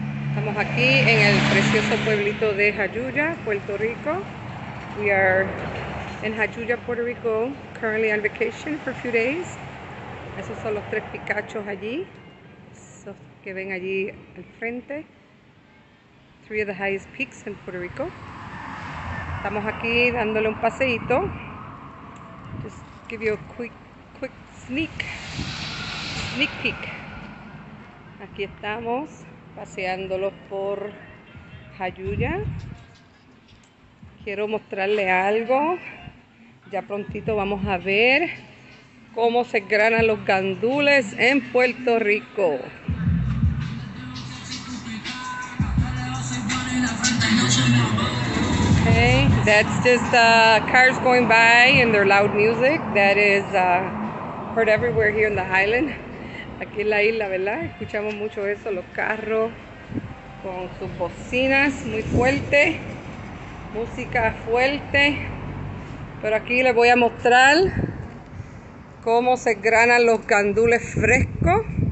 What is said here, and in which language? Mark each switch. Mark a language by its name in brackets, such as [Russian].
[Spanish] Estamos aquí en el precioso pueblito de Jayuya, Puerto Rico. [English] We are in Jayuya, Puerto Rico, currently on vacation for a few days. [Spanish] Esos son los tres picachos allí, esos que ven allí al frente. [English] Three of the highest peaks in Puerto Rico. [Spanish] Estamos aquí dándole un paseíto. Just give you a quick sneak peek. Aquí estamos paseándolos por Jayuya. Quiero mostrarle algo. Ya prontito vamos a ver cómo se granan los gandules en Puerto Rico. [English] Okay, that's just cars going by and their loud music. That is heard everywhere here in the island. [Spanish] Aquí en la isla, ¿verdad? Escuchamos mucho eso, los carros con sus bocinas muy fuerte, música fuerte. Pero aquí les voy a mostrar cómo se granan los gandules frescos.